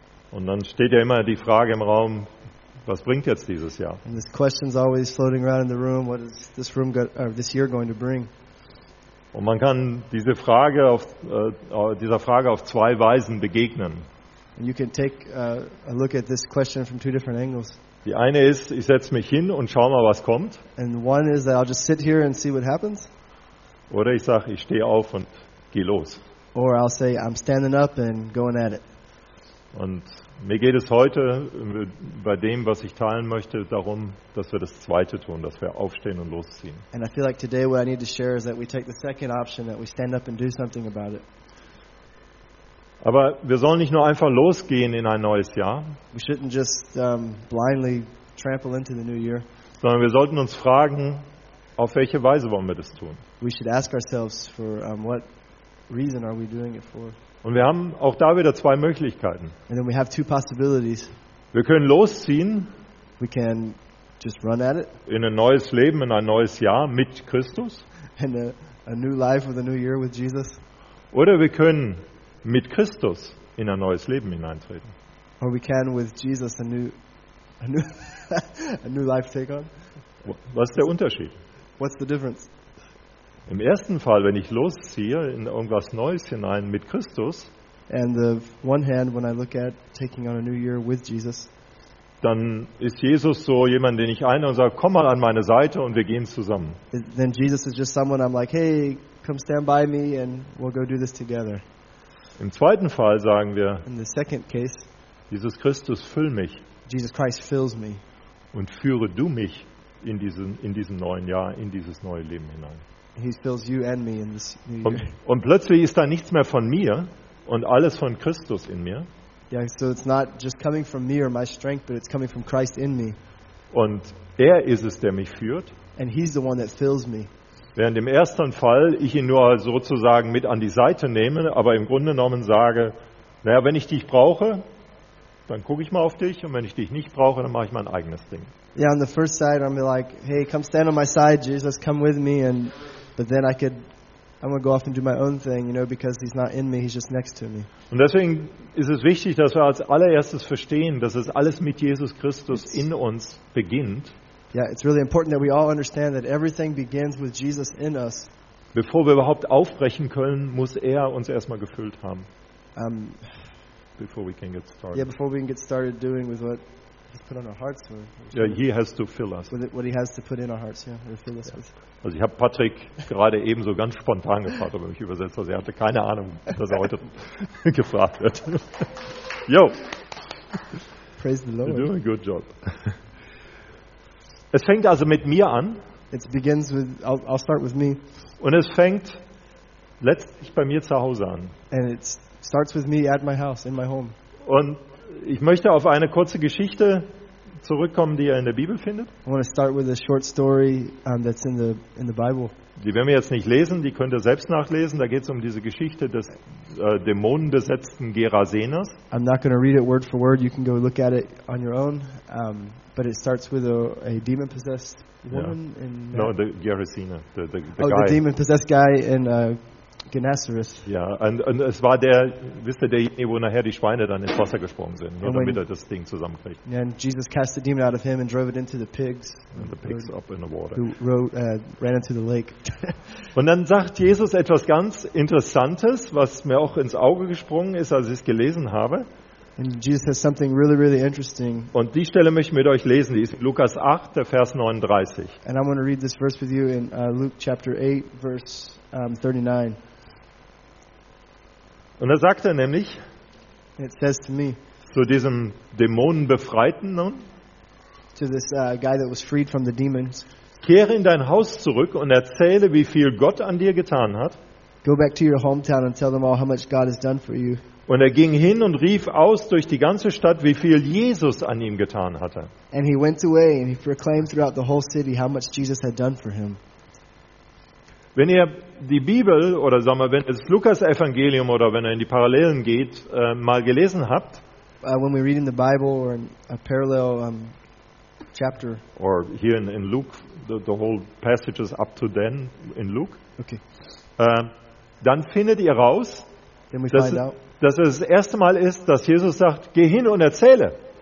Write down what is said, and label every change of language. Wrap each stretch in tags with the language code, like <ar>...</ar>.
<de>Und dann steht ja immer die Frage im Raum, was bringt jetzt dieses Jahr?</de> <en>And this question's always floating around in the room, what is this room this year going to bring?</en> <de>Und man kann diese Frage dieser Frage auf zwei Weisen begegnen.</de> <en>And you can take a look at this question from two different angles.</en> <de>Die eine ist, ich setze mich hin und schaue mal, was kommt.</de> <en>And one is that I'll just sit here and see what happens.</en> <de>Oder ich sage, ich stehe auf und gehe los.</de> <en>Or I'll say, I'm standing up and going at it.</en> <de>Und mir geht es heute bei dem, was ich teilen möchte, darum, dass wir das Zweite tun, dass wir aufstehen und losziehen.</de> <en>And I feel like today what I need to share is that we take the second option, that we stand up and do something about it.</en> <de>Aber wir sollen nicht nur einfach losgehen in ein neues Jahr.</de> <en>We shouldn't just blindly trample into the new year.</en> <de>Sondern wir sollten uns fragen, auf welche Weise wollen wir das tun?</de> <en>We should ask ourselves for what reason are we doing it for?</en> <de>Und wir haben auch da wieder zwei Möglichkeiten.</de> <en>And then we have two possibilities.</en> <de>Wir können losziehen.</de> <en>We can just run at it.</en> <de>In ein neues Leben, in ein neues Jahr mit Christus.</de> <en>And a new life with a new year with Jesus.</en> <de>Oder wir können mit Christus in ein neues Leben hineintreten.</de> <en>Or we can with Jesus a new life take on.</en> <de>Was ist der Unterschied?</de> <en>What's the difference?</en> <de>Im ersten Fall, wenn ich losziehe in irgendwas Neues hinein mit Christus,</de> <en>and the one hand when I look at taking on a new year with Jesus,</en> <de>dann ist Jesus so jemand, den ich einlade und sage, komm mal an meine Seite und wir gehen zusammen.</de> <en>Then Jesus is just someone I'm like, hey, come stand by me and we'll go do this together.</en> <de>Im zweiten Fall sagen wir,</de> <en>in the second case,</en> <de>Jesus Christus, füll mich.</de> <en>Jesus Christ fills me.</en> <de>Und führe du mich in diesem neuen Jahr, in dieses neue Leben hinein.</de> <en>He fills you and me in this new year.</en> <de>Und plötzlich ist da nichts mehr von mir und alles von Christus in mir.</de> <en>Yeah, so it's not just coming from me or my strength, but it's coming from Christ in me.</en> <de>Und er ist es, der mich führt.</de> <en>And he's the one that fills me.</en> <de>Während im ersten Fall ich ihn nur sozusagen mit an die Seite nehme, aber im Grunde genommen sage, naja, wenn ich dich brauche, dann gucke ich mal auf dich und wenn ich dich nicht brauche, dann mache ich mein eigenes Ding.</de> <en>Yeah, on the first side I'm like, hey, come stand on my side, Jesus, come with me, and but then I'm gonna go off and do my own thing, you know, because he's not in me, he's just next to me.</en> <de>Und deswegen ist es wichtig, dass wir als allererstes verstehen, dass es alles mit Jesus Christus in uns beginnt.</de> <en>Yeah, it's really important that we all understand that everything begins with Jesus in us.</en> <de>Bevor wir überhaupt aufbrechen können, muss er uns erstmal gefüllt haben.</de> <en>Before we can get started. Yeah, before we can get started doing with what he's put on our hearts. Or yeah, he has to fill us. With what he has to put in our hearts, yeah, or fill us with.</en> <de>Also ich habe Patrick gerade eben so ganz spontan gefragt, ob er mich übersetzt hat. Er hatte keine Ahnung, dass er heute gefragt wird.</de> <en>Yo. Praise the Lord. You're doing a good job.</en> <de>Es fängt also mit mir an.</de> <en>It begins with, I'll start with me.</en> <de>Und es fängt letztlich bei mir zu Hause an.</de> <en>And it starts with me at my house, in my home.</en> <de>Und ich möchte auf eine kurze Geschichte zurückkommen, die ihr in der Bibel findet.</de> <en>I want to start with a short story that's in the Bible.</en> <de>Die werden wir jetzt nicht lesen, die könnt ihr selbst nachlesen. Da geht es um diese Geschichte des dämonenbesetzten Gerasenes.</de> <en>I'm not going to read it word for word. You can go look at it on your own. But it starts with a demon-possessed woman. Yeah. The Gerasena. The guy. The demon-possessed guy in Gennesaret.</en> <de>Ja, und es war der, wisst ihr, derjenige, wo nachher die Schweine dann ins Wasser gesprungen sind, nur damit er das Ding zusammenkriegt.</de> <en>Yeah, and Jesus cast the demon out of him and drove it into the pigs. And the pigs up in the water. Ran into the lake.</en> <de>Und dann sagt Jesus etwas ganz Interessantes, was mir auch ins Auge gesprungen ist, als ich es gelesen habe.</de> <en>And Jesus says something really, really interesting.</en> <de>Und die Stelle möchte ich mit euch lesen. Die ist Lukas 8, der Vers 39.</de> <en>And I want to read this verse with you in Luke chapter 8, verse 39.</en> <de>Und da sagt er nämlich,</de> <en>it says to me,</en> <de>zu diesem Dämonenbefreiten nun,</de> <en>to this guy that was freed from the demons,</en> <de>kehre in dein Haus zurück und erzähle, wie viel Gott an dir getan hat.</de> <en>Go back to your hometown and tell them all how much God has done for you.</en> <de>Und er ging hin und rief aus durch die ganze Stadt, wie viel Jesus an ihm getan hatte.</de> <en>And he went away and he proclaimed throughout the whole city how much Jesus had done for him.</en> <de>Wenn ihr die Bibel oder sagen wir, wenn das Lukas-Evangelium oder wenn ihr in die Parallelen geht, mal gelesen habt,</de> <en>when we read in the Bible or in a parallel chapter. Or here in Luke, the whole passages up to then in Luke. Okay.</en> <de>Dann findet ihr raus, dass es das erste Mal ist, dass Jesus sagt, geh hin und erzähle.</de>